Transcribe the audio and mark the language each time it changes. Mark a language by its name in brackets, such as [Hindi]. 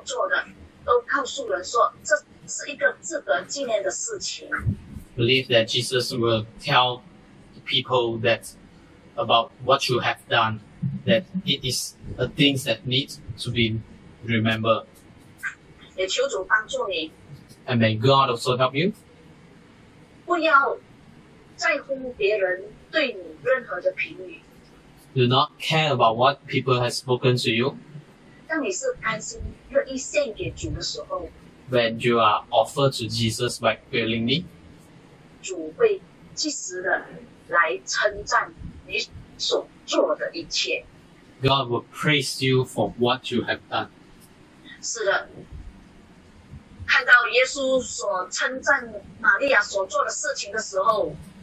[Chinese] 神必定会把你所做的都告诉人说这是一个值得纪念的事情。 [English] Believe that Jesus will tell to people that about what you have done, that it is a thing that needs to be remembered. [Chinese] 也求主帮助你. [English] And may God also help you. [Chinese] 不要在乎别人对你任何的评语. [English] Do not care about what people have spoken to you. [Chinese] 当你是甘心愿意献给主的时候, [English] when you are offered to Jesus by willingly, [Chinese] 主会及时的来称赞你所做的一切. [English] God will praise you for what you have done. [Chinese] 是的, 看到耶稣所称赞玛利亚所做的事情的时候,